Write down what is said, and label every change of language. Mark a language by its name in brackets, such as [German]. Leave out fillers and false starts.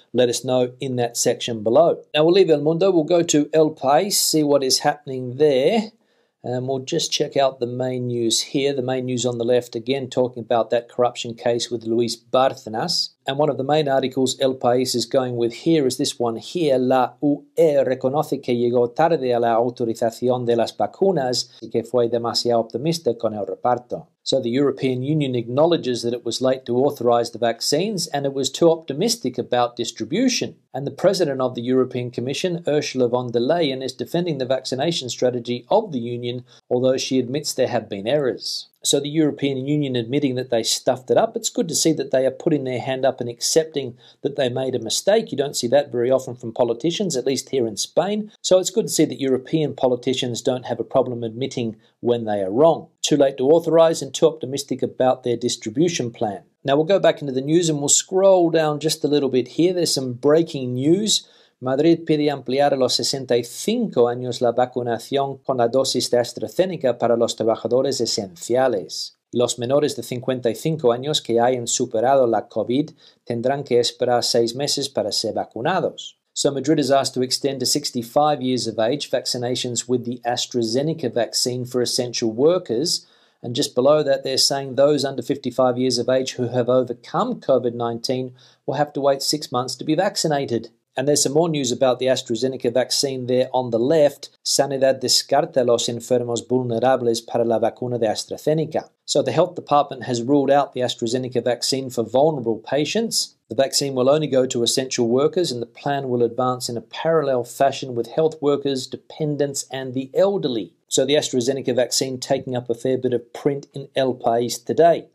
[English] Let us know in that section below. Now we'll leave El Mundo, we'll go to El País, see what is happening there, and we'll just check out the main news here. The main news on the left, again, talking about that corruption case with Luis Bárcenas. And one of the main articles El País is going with here is this one here. [Spanish] La UE reconoce que llegó tarde a la autorización de las vacunas y que fue demasiado optimista con el reparto. [English] So the European Union acknowledges that it was late to authorize the vaccines and it was too optimistic about distribution. And the president of the European Commission, Ursula von der Leyen, is defending the vaccination strategy of the Union, although she admits there have been errors. So the European Union admitting that they stuffed it up, it's good to see that they are putting their hand up and accepting that they made a mistake. You don't see that very often from politicians, at least here in Spain. So it's good to see that European politicians don't have a problem admitting when they are wrong. Too late to authorize and too optimistic about their distribution plan. Now we'll go back into the news and we'll scroll down just a little bit here. There's some breaking news. [Spanish] Madrid pide ampliar a los 65 años la vacunación con la dosis de AstraZeneca para los trabajadores esenciales. Los menores de 55 años que hayan superado la COVID tendrán que esperar 6 meses para ser vacunados. [English] So Madrid is asked to extend to 65 years of age vaccinations with the AstraZeneca vaccine for essential workers. And just below that, they're saying those under 55 years of age who have overcome COVID-19 will have to wait 6 months to be vaccinated. And there's some more news about the AstraZeneca vaccine there on the left. [Spanish] Sanidad descarta los enfermos vulnerables para la vacuna de AstraZeneca. [English] So the health department has ruled out the AstraZeneca vaccine for vulnerable patients. The vaccine will only go to essential workers and the plan will advance in a parallel fashion with health workers, dependents and the elderly. So the AstraZeneca vaccine taking up a fair bit of print in El País today.